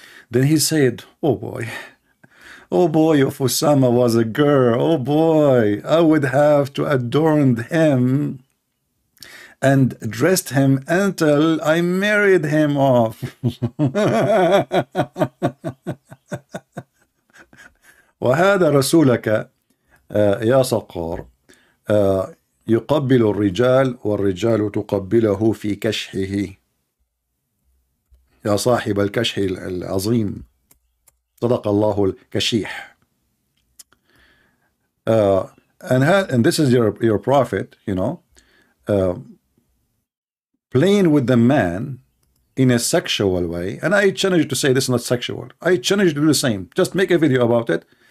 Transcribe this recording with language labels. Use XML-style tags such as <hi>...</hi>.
<en>Then he said, oh boy. Oh boy, if Usama was a girl, oh boy, I would have to adorn him and dress him until I married him off.</en> <ar>وهذا رسولك يا سقار يقبل الرجال والرجال تقبله في كشحه. يا صاحب الكشح العظيم، صدق الله الكشيح.</ar> <en>And this is your prophet, you know, playing with the man in a sexual way. And I challenge you to say this is not sexual. I challenge you to do the same. Just make a video about it.</en>